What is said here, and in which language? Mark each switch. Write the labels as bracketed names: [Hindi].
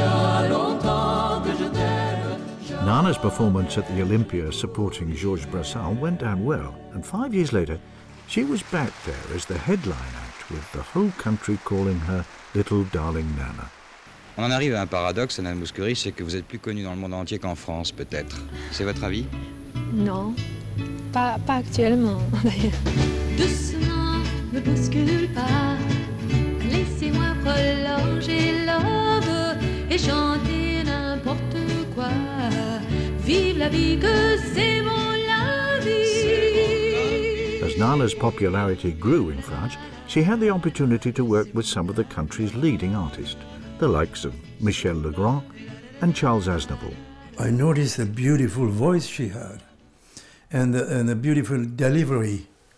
[English] Nana's performance at the Olympia supporting Georges Brassens went down well, and 5 years later, she was back there as the headline act, with the whole country calling her Little Darling Nana. [French] On en arrive à un paradoxe, Nana Mouskouri, c'est que vous êtes plus connue dans le monde entier qu'en France, peut-être. C'est votre avis? Non, pas actuellement, d'ailleurs. Doucement, ne bouscule pas. Laissez-moi prolonger l'aube et chanter n'importe quoi. Vive la vie que c'est mon la vie. [English] As Nana's popularity grew in France, she had the opportunity to work with some of the country's leading artists, the likes of Michel Legrand and Charles Aznavour. I noticed the beautiful voice she had and the beautiful delivery.